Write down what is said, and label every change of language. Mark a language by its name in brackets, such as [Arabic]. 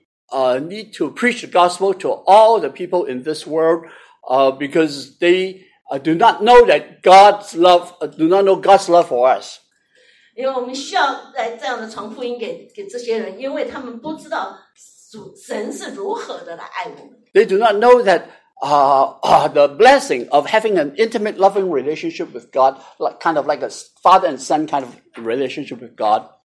[English] We need to preach the gospel to all the people in this world, because they do not know that God's love, do not know God's love for us. [Chinese] 因为我们需要来这样的传福音给这些人，因为他们不知道神是如何的来爱我们。 [English] They do not know that the blessing of having an intimate, loving relationship with God, like kind of like a father and son kind of relationship with God.